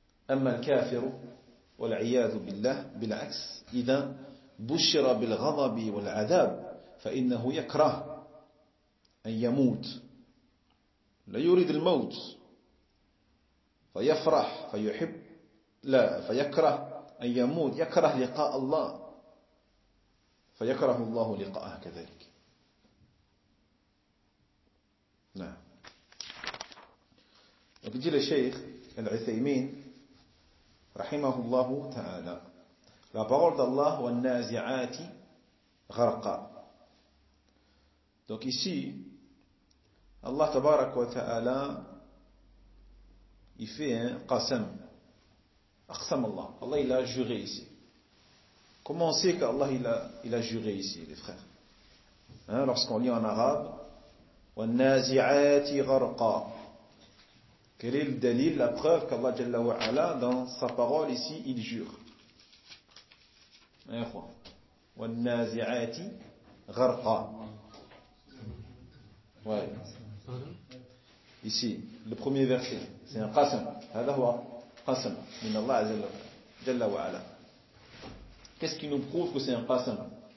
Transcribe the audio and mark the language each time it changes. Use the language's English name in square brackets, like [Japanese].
[Arabic] أما الكافر والعياذ بالله بالعكس إذا بشر بالغضب والعذاب فإنه يكره أن يموت، لا يريد الموت، فيفرح فيحب، لا فيكره أن يموت، يكره لقاء الله فيكره الله لقاءه كذلك. نعم. وبيجي للشيخ العثيمين رحمه الله تعالى لا بغض الله والنازعات غرقا. [French] دونك ici [Arabic] الله تبارك وتعالى [French] il fait un qasam. [Arabic] أقسم الله. [French] الله il a juré ici. Comment on sait que Allah il a juré ici les frères? Hein, lorsqu'on lit en arabe [Arabic] والنازعات غرقا. [French] Quel est le dalil, la preuve qu'Allah Jalla wa Ala dans sa parole ici il jure? Un fois. [Arabic] والنازعات غرقا. [French] Ouais. Ici, le premier verset, c'est un qasam. [Arabic] هذا هو قسم من الله عز وجل جل وعلا. [French] Qu'est-ce qui nous prouve que c'est un qasam?